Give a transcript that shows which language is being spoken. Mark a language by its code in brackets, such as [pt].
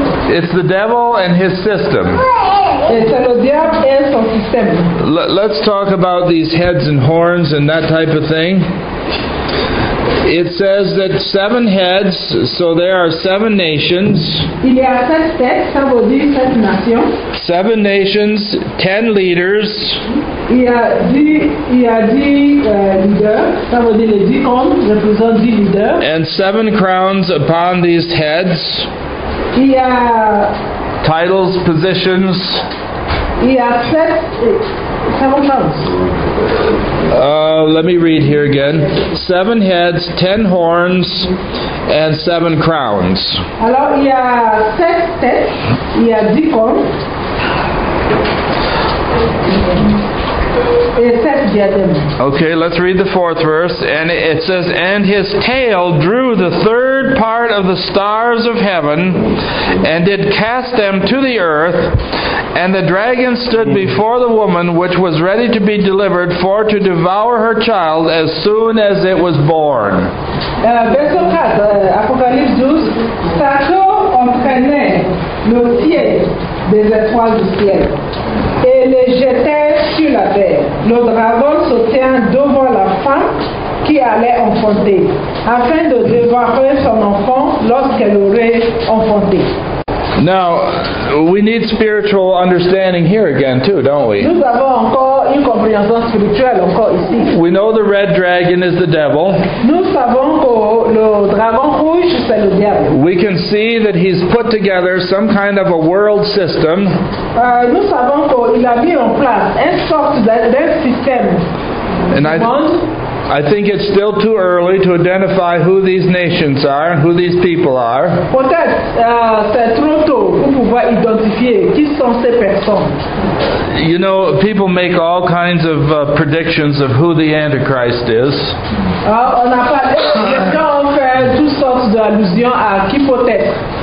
[en] It's the devil and his system. [fr] Et c'est le diable et son système. [en] Let's talk about these heads and horns and that type of thing. It says that 7 heads, so there are 7 nations. [fr] Il y a 7 têtes, ça veut dire 7 nations. [en] 7 nations, 10 leaders. [fr] Il y a 10 leaders, ça veut dire les 10 hommes, représentent 10 leaders. [en] And 7 crowns upon these heads. [fr] Il y a [en] titles, positions. [fr] Il y a 7 crowns. [en] Let me read here again. 7 heads, 10 horns, and 7 crowns. [fr] Alors, il y a 7 têtes, il y a 10 cornes, et 7 diadèmes. [en] Okay, let's read the 4th verse. And it says, and his tail drew the 3rd part of the stars of heaven, and did cast them to the earth. And the dragon stood before the woman, which was ready to be delivered, for to devour her child as soon as it was born. [fr] Verset 4, Apocalypse 12. Satan entraînait le pied des étoiles du ciel et les jetait sur la terre. Le dragon se tient devant la femme qui allait enfanter, afin de devourer son enfant lorsqu'elle aurait enfanté. [en] Now, we need spiritual understanding here again too, don't we? [fr] Nous avons encore une compréhension spirituelle encore ici. [en] We know the red dragon is the devil. [fr] Nous savons que le dragon rouge, c'est le diable. [en] We can see that he's put together some kind of a world system. [fr] Nous savons qu'il a mis en place une sorte de système. [en] And I think it's still too early to identify who these nations are and who these people are. [fr] Peut-être c'est trop tôt pour pouvoir identifier qui sont ces personnes. [en] You know, people make all kinds of predictions of who the Antichrist is. [fr] On a parlé, on fait toutes sortes d'allusions à qui peut-être.